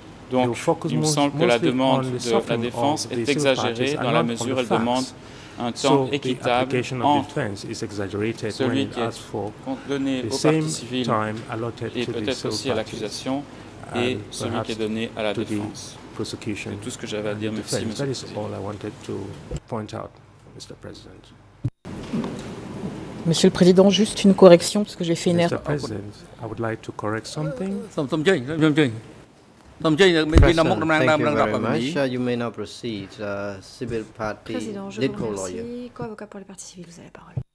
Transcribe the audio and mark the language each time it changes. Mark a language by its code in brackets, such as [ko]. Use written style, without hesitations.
[fr] Donc, il me semble que la demande de la défense est exagérée dans la mesure où elle demande un temps équitable entre celui qui est donné aux parties civiles et peut-être aussi à l'accusation et celui qui est donné à la défense. [en] prosecution. [fr] C'est tout ce que j'avais à dire, merci, Monsieur le Président. [en] That is all I wanted to point out, Mr. President. [fr] Monsieur le Président, juste une correction, parce que j'ai fait une erreur. [en] Mr. President, I would like to correct something. President, thank you very much. You may now proceed. Civil party, legal lawyer. [fr] Co-avocat pour les parties civiles, vous avez la parole.